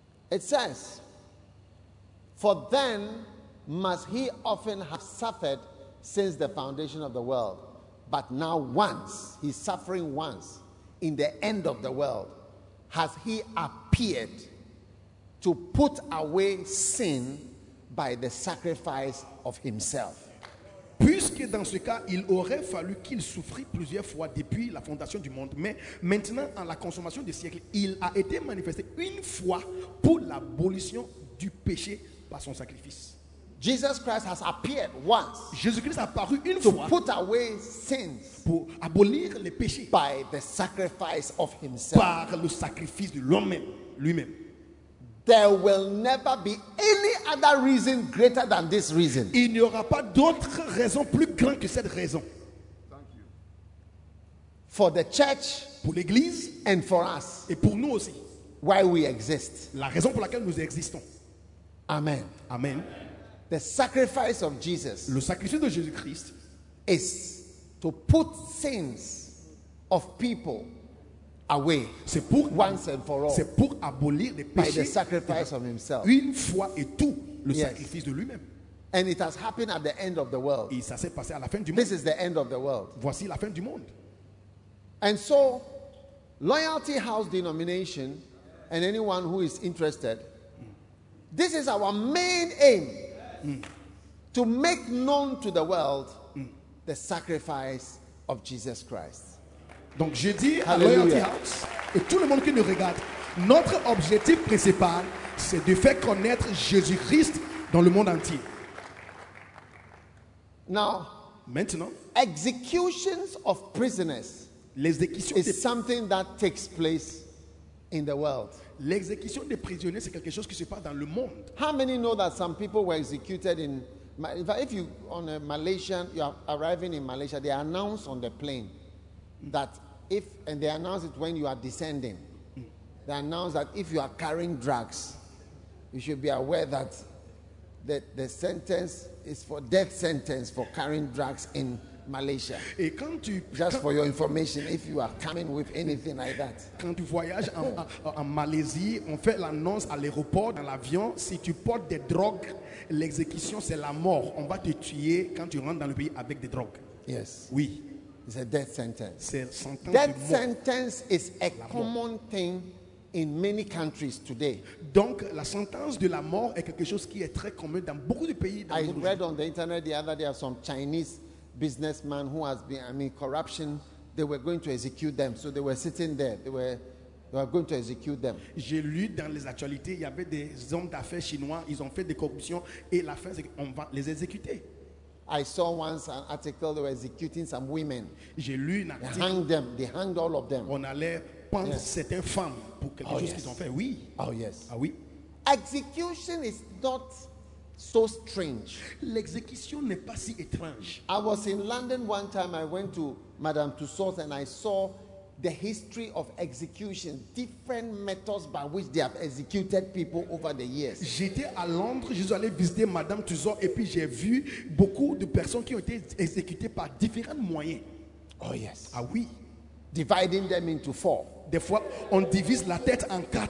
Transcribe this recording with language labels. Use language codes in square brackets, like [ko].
[en] It says, for then must he often have suffered since the foundation of the world, but now once, he's suffering once, in the end of the world, has he appeared to put away sin by the sacrifice of himself. [fr] Puisque dans ce cas, il aurait fallu qu'il souffrit plusieurs fois depuis la fondation du monde. Mais maintenant, en la consommation des siècles, il a été manifesté une fois pour l'abolition du péché par son sacrifice. [en] Jesus Christ has appeared once. [fr] Jésus-Christ a apparu une [en] to [fr] fois [en] put away sins [fr] pour abolir les péchés [en] by the sacrifice of himself. [fr] Par le sacrifice de l'homme-même, lui-même. [en] There will never be any other reason greater than this reason. [fr] Il n'y aura pas d'autre raison plus grande que cette raison. [en] Thank you. For the church, [fr] pour l'église, [en] and for us, [fr] et pour nous aussi, [en] why we exist. [fr] La raison pour laquelle nous existons. [en] Amen. [fr] Amen. [en] The sacrifice of Jesus, [fr] le sacrifice de Jésus-Christ, [en] is to put sins of people away. [fr] C'est pour [en] once and for all. [fr] C'est pour abolir les péchés [en] by the sacrifice of himself. [fr] Une fois et tout, le [en] yes. [fr] sacrifice de lui-même. [en] And it has happened at the end of the world. [fr] Et ça s'est passé à la fin du monde. [en] This is the end of the world. [fr] Voici la fin du monde. [en] And so, Loyalty House denomination, and anyone who is interested, this is our main aim, to make known to the world the sacrifice of Jesus Christ. [fr] Donc je dis à Loyalty House et tout le monde qui nous regarde, notre objectif principal, c'est de faire connaître Jésus-Christ dans le monde entier. [en] Now, [fr] maintenant, [en] executions of prisoners. [fr] L'exécution [en] is something that takes place in the world. [fr] L'exécution des prisonniers, c'est quelque chose qui se passe dans le monde. [en] How many know that some people were executed in, if you on a Malaysian, you are arriving in Malaysia, they announce on the plane that if, and they announce it when you are descending, they announce that if you are carrying drugs, you should be aware that the sentence is for death sentence for carrying drugs in Malaysia. [fr] Et quand tu, [en] just [fr] quand, [en] for your information, if you are coming with anything like that. [fr] Quand tu voyages en Malaisie, on fait l'annonce à l'aéroport, dans l'avion, si tu portes des drogues, l'exécution c'est la mort. On va te tuer quand tu rentres dans le pays avec des drogues. [en] Yes. [fr] Oui. [en] It's a death sentence. [fr] C'est sentence [en] death sentence is a common thing in many countries today. [fr] Donc la sentence de la mort est quelque chose qui est très commun dans beaucoup de pays. [en] I read on the internet the other day some Chinese businessman who has been, I mean, corruption, they were going to execute them. So they were sitting there. They were going to execute them. [fr] J'ai lu dans les actualités, il y avait des hommes d'affaires chinois, ils ont fait des corruptions et la fin, c'est qu'on va les exécuter. [en] I saw once an article, they were executing some women. [fr] J'ai lu un article. [en] They hanged all of them. [fr] On allait pendre [en] yes. [fr] certaines femmes pour quelque [en] oh, [fr] chose [en] yes. [fr] qu'ils ont fait. Oui. [en] Oh yes. [fr] Ah oui. [en] Execution is not so strange. [fr] L'exécution n'est pas si étrange. [en] I was in London one time. I went to Madame Tussauds and I saw the history of execution, different methods by which they have executed people over the years. [fr] J'étais à Londres. Je suis allé visiter Madame Tussauds et puis j'ai vu beaucoup de personnes qui ont été exécutées par différents moyens. [en] Oh yes. [fr] Ah oui. [en] Dividing them into four. [fr] Des fois, on divise la tête en quatre